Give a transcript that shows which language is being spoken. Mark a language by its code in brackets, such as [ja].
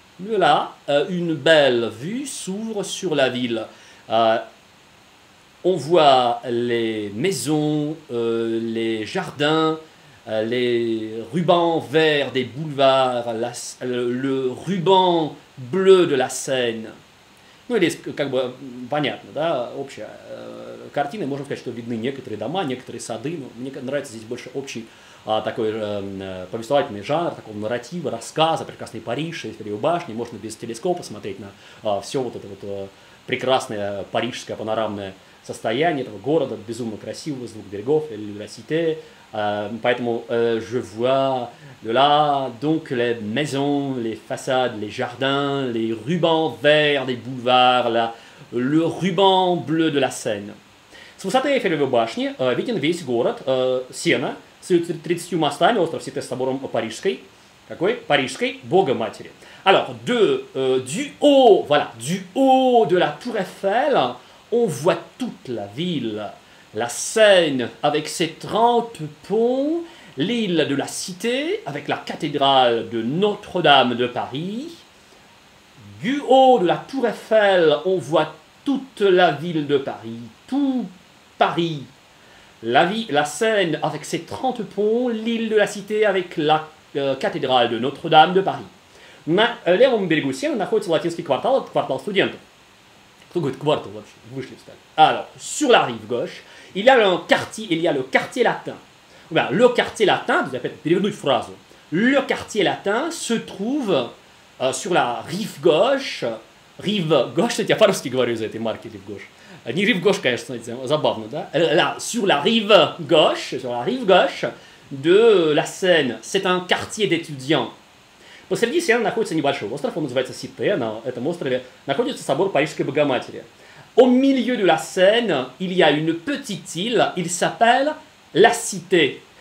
[fr] De là, une belle vue s'ouvre sur la ville. On voit les maisons, les jardins, les rubans verts des boulevards, le ruban bleu de la Seine. [ru] Ну, или, как бы, понятно, да, общая картина. Можно сказать, что видны некоторые дома, некоторые сады. Но мне нравится здесь больше общий такой повествовательный жанр, такого нарратива, рассказа, прекрасный Париж, Эйфелева башня. Можно без телескопа смотреть на все вот это вот прекрасное парижское панорамное состояние этого города, безумно красивого, звук берегов, l'université. Поэтому [fr] je vois de là, donc les maisons, les façades, les jardins, les rubans verts des boulevards, le ruban bleu de la Seine. [ru] С высоты Эйфелевой башни виден весь город, Сена, с 30 мостами, остров Сите с собором Парижской. Какой? Парижской Богоматери. [fr] Alors, du haut de la Tour Eiffel, on voit toute la ville, la Seine avec ses 30 ponts, l'île de la Cité avec la cathédrale de Notre-Dame de Paris. Du haut de la Tour Eiffel, on voit toute la ville de Paris, tout Paris. La Seine avec ses 30 ponts, l'île de la Cité avec la cathédrale de Notre-Dame de Paris. [ru] На левом берегу Сены находится латинский квартал, это квартал студентов. Кто говорит квартал вообще? Вышли встали. [fr] Alors, sur la rive gauche, il y a le quartier latin. Ben, le quartier latin, vous avez perdu une phrase. Le quartier latin se trouve sur la rive gauche. [ru] Rive gauche, я по-русски говорю из-за этой марки rive gauche. Не rive gauche, конечно, забавно, да? [fr] Là, sur la rive gauche de la Seine. C'est un quartier d'étudiants. [ru] Посреди Сены находится небольшой остров, он называется Сите, на этом острове находится собор Парижской Богоматери. [fr] Au milieu de la Seine, il y a une petite île, il s'appelle la Cité.